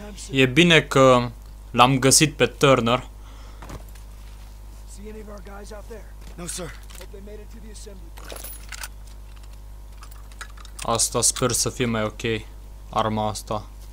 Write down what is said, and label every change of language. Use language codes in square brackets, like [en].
[ro] E bine că l-am găsit pe Turner. [en] See any of our guys out there? No, sir. Hope they made it to the assembly. [ro] Asta sper să fie mai ok, arma asta.